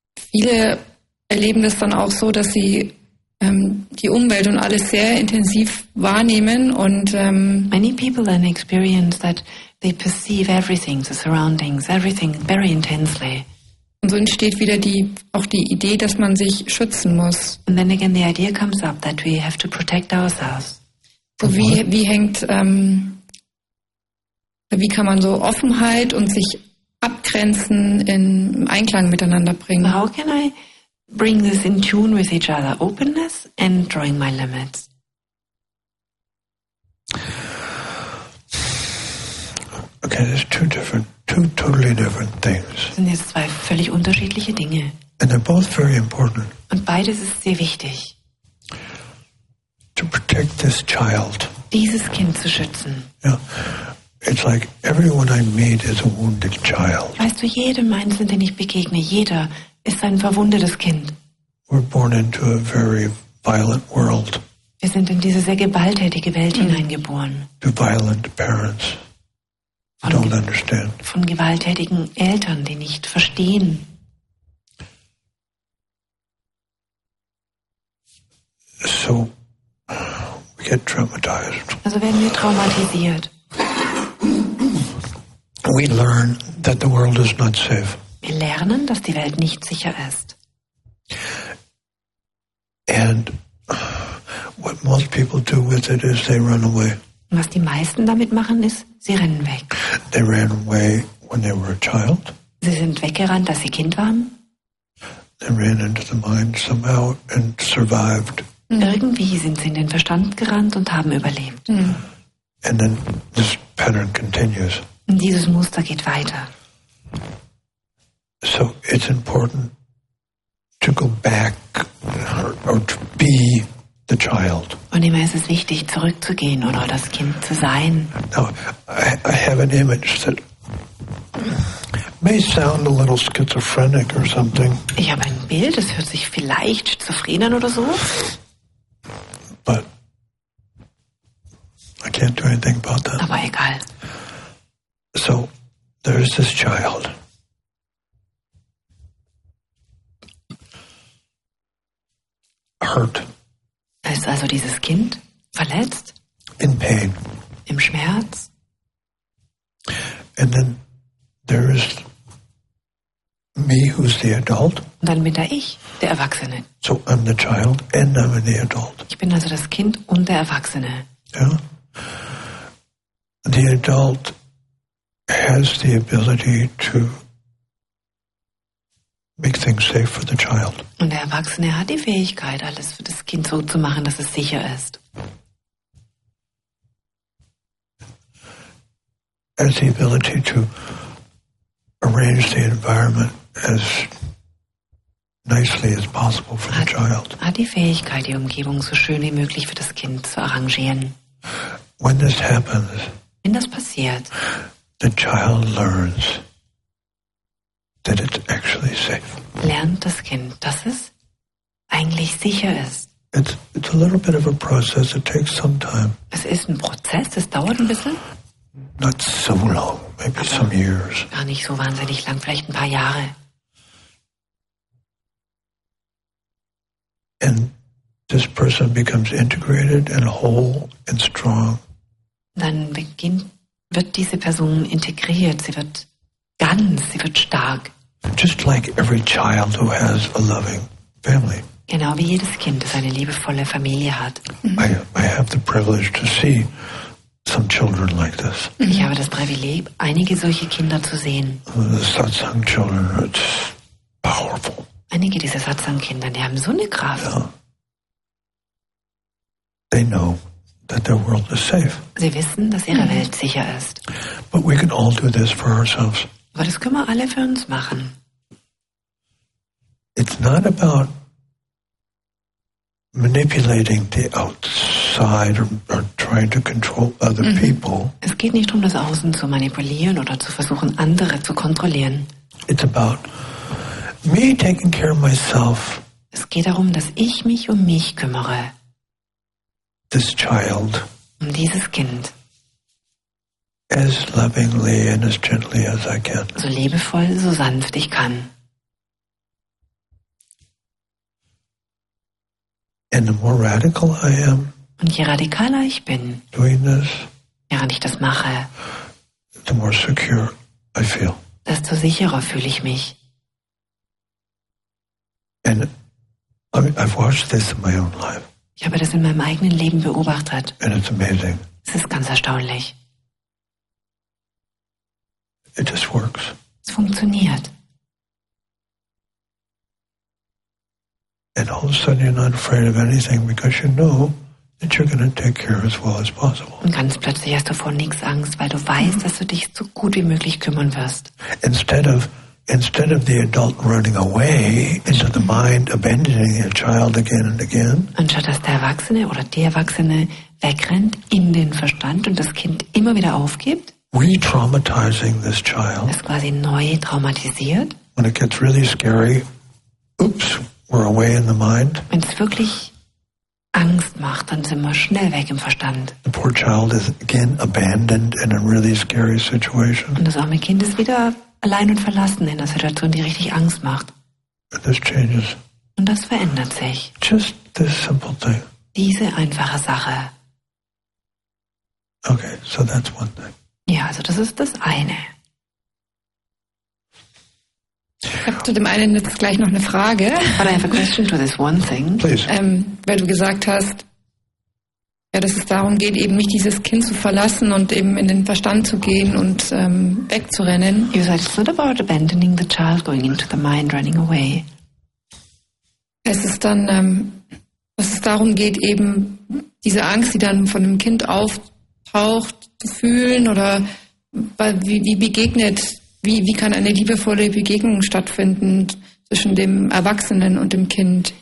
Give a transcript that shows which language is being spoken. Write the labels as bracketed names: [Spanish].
[German] Viele erleben das dann auch so, dass sie die Umwelt und alles sehr intensiv wahrnehmen und [English] many people then experience that they perceive everything, the surroundings, everything very intensely. [German] Und so entsteht wieder die Idee, dass man sich schützen muss. [English] And then again the idea comes up that we have to protect ourselves. [German] So wie hängt wie kann man so Offenheit und sich abgrenzen in Einklang miteinander bringen? [English] How can I bring this in tune with each other, openness and drawing my limits? Okay, there's two totally different things. [German] Das sind jetzt zwei völlig unterschiedliche Dinge. [English] And they're both very important. [German] Und beides ist sehr wichtig. [English] To protect this child. [German] Dieses Kind zu schützen. [English] Yeah. It's like everyone I meet is a wounded child. [German] Weißt du, jedem Einzelnen, den ich begegne, jeder ist ein verwundetes Kind. [English] We're born into a very violent world. [German] Wir sind in diese sehr gewalttätige Welt hineingeboren. [English] To violent parents. Don't understand. [German] Von gewalttätigen Eltern, die nicht verstehen. [English] So we get traumatized. [German] Also werden wir traumatisiert. [English] We learn that the world is not safe. [German] Wir lernen, dass die Welt nicht sicher ist. [English] And what most people do with it is they run away. [German] Was die meisten damit machen, ist, sie rennen weg. [English] They ran away when they were a child. [German] Sie sind weggerannt, als sie Kind waren. [English] They ran into the mind somehow and survived. [German] Irgendwie sind sie in den Verstand gerannt und haben überlebt. [English] And then this pattern continues. [German] Und dieses Muster geht weiter. [English] So it's important to go back or to be the child. [German] Und immer ist es wichtig, zurückzugehen oder das Kind zu sein. [English] Now, I have an image that may sound a little schizophrenic or something. [German] Ich habe ein Bild, es hört sich vielleicht schizophren an oder so. [English] But I can't do anything about that. [German] Aber egal. [English] So there's this child. Hurt. [German] Da ist also dieses Kind verletzt. [English] In pain. [German] Im Schmerz. [English] And then there is me who's the adult. [German] Und dann bin da ich, der Erwachsene. [English] So I'm the child and I'm the adult. [German] Ich bin also das Kind und der Erwachsene. [English] Yeah. The adult has the ability to make things safe for the child. [German] Und der Erwachsene hat die Fähigkeit, alles für das Kind so zu machen, dass es sicher ist. [English] Has the ability to arrange the environment as nicely as possible for the child. [German] Hat die Fähigkeit, die Umgebung so schön wie möglich für das Kind zu arrangieren. [English] When this happens, [German] wenn das passiert, [English] the child learns that it's actually safe. [German] Lernt das Kind, dass es eigentlich sicher ist. [English] It's a little bit of a process. It takes some time. [German] Es ist ein Prozess. Es dauert ein bisschen. [English] Not so long. Maybe [German] aber [English] some years. [German] Gar nicht so wahnsinnig lang. Vielleicht ein paar Jahre. [English] And this person becomes integrated and whole and strong. [German] Dann wird diese Person integriert. Sie wird ganz. Sie wird stark. [English] Just like every child who has a loving family. [German] Genau wie jedes Kind, das eine liebevolle Familie hat. [English] I have the privilege to see some children like this. [German] Ich habe das Privileg, einige solche Kinder zu sehen. [English] The Satsang children, it's powerful. [German] Einige dieser Satsang-Kinder, die haben so eine Kraft. [English] Yeah. They know that their world is safe. [German] Sie wissen, dass ihre Welt sicher ist. [English] But we can all do this for ourselves. [German] Aber das können wir alle für uns machen. [English] It's not about manipulating the outside or trying to control other people. [German] Es geht nicht darum, das Außen zu manipulieren oder zu versuchen, andere zu kontrollieren. [English] It's about me taking care of myself. [German] Es geht darum, dass ich mich um mich kümmere. [English] This child. [German] Um dieses Kind. [English] As lovingly and as gently as I can. [German] So liebevoll, so sanft ich kann. [English] And the more radical I am, [German] und je radikaler ich bin, [English] doing this, [German] während ich das mache, [English] the more secure I feel. [German] Desto sicherer fühle ich mich. [English] And I've watched this in my own life. [German] Ich habe das in meinem eigenen Leben beobachtet. [English] And it's amazing. [German] Es ist ganz erstaunlich. [English] It just works. [German] Es funktioniert. [English] And all of a sudden you're not afraid of anything because you know that you're going to take care as well as possible. [German] Und ganz plötzlich hast du vor nichts Angst, weil du weißt, dass du dich so gut wie möglich kümmern wirst. [English] Instead of the adult running away into the mind, abandoning the child again and again. [German] Anstatt dass der Erwachsene oder die Erwachsene wegrennt in den Verstand und das Kind immer wieder aufgibt. [English] Re-traumatizing this child. [German] Es quasi neu traumatisiert. [English] When it gets really scary, oops, we're away in the mind. [German] Wenn es wirklich Angst macht, dann sind wir schnell weg im Verstand. [English] The poor child is again abandoned in a really scary situation. [German] Und das arme Kind ist wieder allein und verlassen in einer Situation, die richtig Angst macht. [English] And this changes. [German] Und das verändert sich. [English] Just this simple thing. [German] Diese einfache Sache. [English] Okay, so that's one thing. [German] Ja, also das ist das eine. Ich habe zu dem einen jetzt gleich noch eine Frage. [English] But I have a question to this one thing. Please. [German] Weil du gesagt hast, ja, dass es darum geht, eben nicht dieses Kind zu verlassen und eben in den Verstand zu gehen und wegzurennen. [English] You said it's not about abandoning the child, going into the mind, running away. [German] Es ist dann, dass es darum geht, eben diese Angst, die dann von dem Kind auftaucht, zu fühlen oder wie kann eine liebevolle Begegnung stattfinden zwischen dem Erwachsenen und dem Kind?